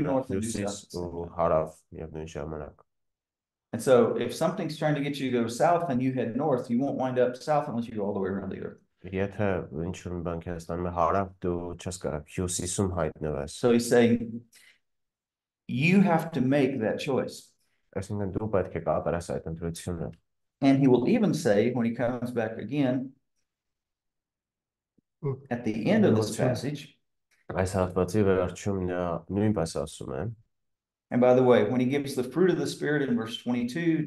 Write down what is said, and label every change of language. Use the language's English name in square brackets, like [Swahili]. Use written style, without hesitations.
[English] north and due south at the same time. And so if something's trying to get you to go south and you head north, you won't wind up south unless you go all the way around the earth. So he's saying, you have to make that choice. And he will even say, when he comes back again, at the end of this passage, [Armenian] Այս հատվածի վերջում նա նույնպես ասում է. [English] And by the way, when he gives the fruit of the Spirit in verse 22,